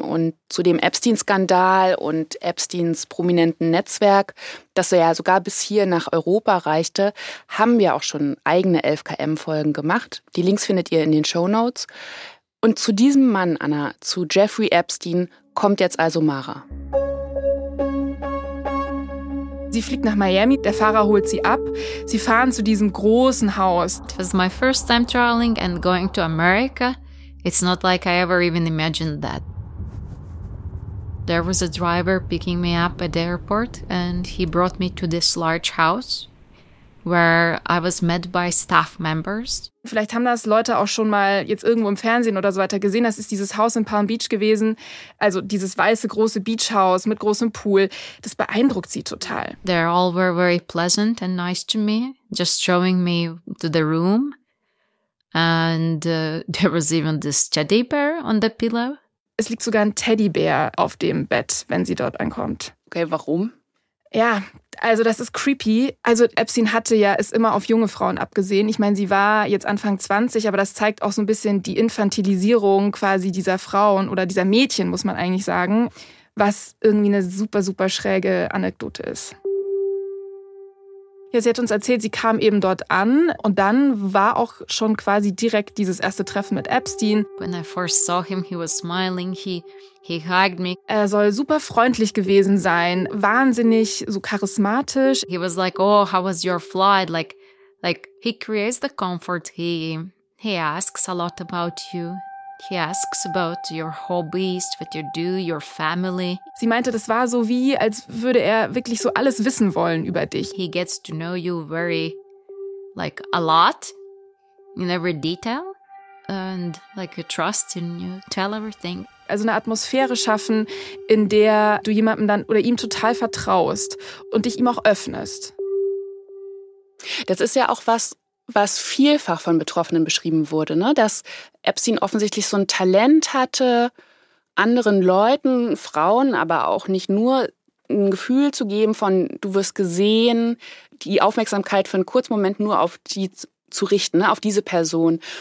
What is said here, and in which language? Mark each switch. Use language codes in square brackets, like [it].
[de] Und zu dem Epstein-Skandal und Epsteins prominenten Netzwerk, das er ja sogar bis hier nach Europa reichte, haben wir auch schon eigene 11KM-Folgen gemacht. Die Links findet ihr in den Shownotes. Und zu diesem Mann, Anna, zu Jeffrey Epstein, kommt jetzt also Mara. Sie fliegt nach Miami, der Fahrer holt sie ab. Sie fahren zu diesem großen Haus. [en] It was my first time traveling and going to America. It's not like I ever even imagined that. There was a driver picking me up at the airport and he brought me to this large house where I was met by staff members. [de] Vielleicht haben das Leute auch schon mal jetzt irgendwo im Fernsehen oder so weiter gesehen. Das ist dieses Haus in Palm Beach gewesen. Also dieses weiße große Beachhaus mit großem Pool. Das beeindruckt sie total. [en] They all were very pleasant and nice to me, just showing me to the room. And there was even this teddy bear on the pillow. [de] Es liegt sogar ein Teddybär auf dem Bett, wenn sie dort ankommt. Okay, warum? Ja, also das ist creepy. Also Epstein hatte ja es immer auf junge Frauen abgesehen. Ich meine, sie war jetzt Anfang 20, aber das zeigt auch so ein bisschen die Infantilisierung quasi dieser Frauen oder dieser Mädchen, muss man eigentlich sagen, was irgendwie eine super, super schräge Anekdote ist. Ja, sie hat uns erzählt, sie kam eben dort an und dann war auch schon quasi direkt dieses erste Treffen mit Epstein. [en] When I first saw him, he was smiling, he hugged me. [de] Er soll super freundlich gewesen sein, wahnsinnig so charismatisch. [en] He was like, oh, how was your flight? Like he creates the comfort, he asks a lot about you. He asks about your hobbies, what you do, your family. [de] Sie meinte, das war so wie, als würde er wirklich so alles wissen wollen über dich. [en] He gets to know you very, like, a lot, in every detail, and, like, you trust in you, tell everything. [de] Also eine Atmosphäre schaffen, in der du jemandem dann oder ihm total vertraust und dich ihm auch öffnest. Das ist ja auch was vielfach von Betroffenen beschrieben wurde, ne? Dass Epstein offensichtlich so ein Talent hatte, anderen Leuten, Frauen, aber auch nicht nur, ein Gefühl zu geben von, du wirst gesehen, die Aufmerksamkeit für einen kurzen Moment nur auf die zu richten, ne? Auf diese Person.